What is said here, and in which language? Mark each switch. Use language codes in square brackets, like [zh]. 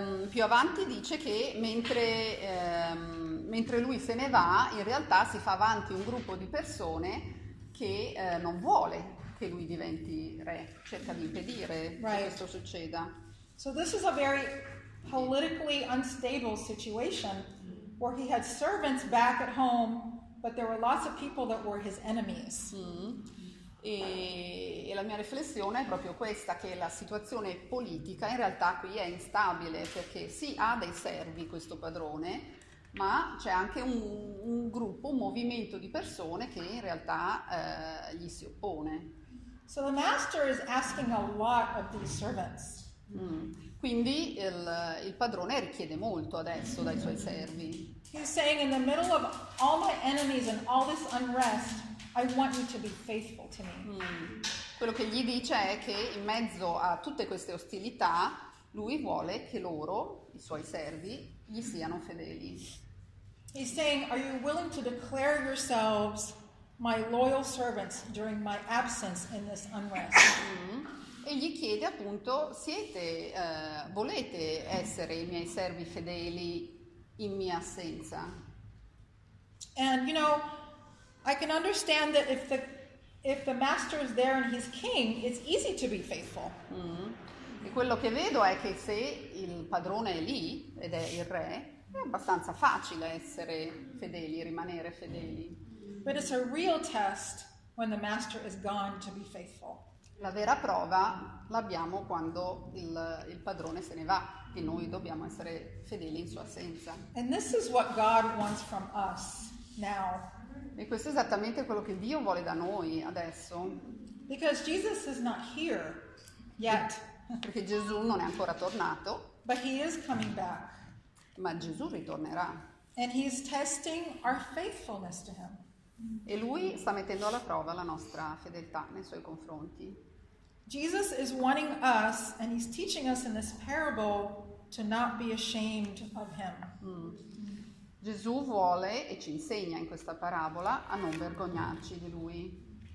[it] Più avanti dice che mentre lui se ne va, in realtà si fa avanti un gruppo di persone che non vuole che lui diventi re, cerca di impedire right. che questo succeda. [en] So this is a very politically unstable situation where he had servants back at home. But there were lots of people that were his enemies. [it] E la mia riflessione è proprio questa, che la situazione politica in realtà qui è instabile, perché sì, ha dei servi questo padrone, ma c'è anche un gruppo, un movimento di persone che in realtà gli si oppone. [en] So the master is asking a lot of these servants. [it] Quindi il padrone richiede molto adesso dai suoi servi. [en] He's saying, in the middle of all my enemies and all this unrest, I want you to be faithful to me. [it] Quello che gli dice è che in mezzo a tutte queste ostilità lui vuole che loro, i suoi servi, gli siano fedeli. [en] He's saying, are you willing to declare yourselves my loyal servants during my absence in this unrest? [it] E gli chiede appunto, siete, volete essere i miei servi fedeli in mia assenza? [en] And you know, I can understand that if the master is there and he's king, it's easy to be faithful. Mm-hmm. [it] E quello che vedo è che se il padrone è lì ed è il re, è abbastanza facile essere fedeli, rimanere fedeli. [en] But it's a real test when the master is gone to be faithful. [it] La vera prova l'abbiamo quando il padrone se ne va e noi dobbiamo essere fedeli in sua assenza. [en] And this is what God wants from us now. [it] E questo è esattamente quello che Dio vuole da noi adesso. [en] Because Jesus is not here yet. [it] Perché Gesù non è ancora tornato. [en] But he is coming back. [it] Ma Gesù ritornerà. [en] And he is testing our faithfulness to him. [it] E lui sta mettendo alla prova la nostra fedeltà nei suoi confronti. [en] Jesus is wanting us, and he's teaching us in this parable, to not be ashamed of him. Mm. [it] Gesù vuole e ci insegna in questa parabola a non vergognarci di lui.